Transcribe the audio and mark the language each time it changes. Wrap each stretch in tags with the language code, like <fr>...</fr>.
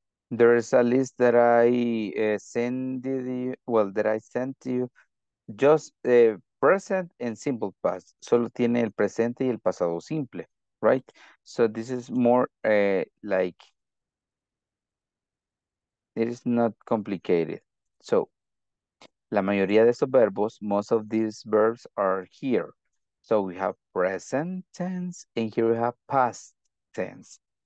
<en>There is a list that I send you, well, that I sent to you, just present and simple past.</en> <es>Solo tiene el presente y el pasado simple, right?</es> <en>So this is more like, it is not complicated. So,</en> <es>la mayoría de estos verbos,</es> <en>most of these verbs are here. So we have present tense, and here we have past tense.</en>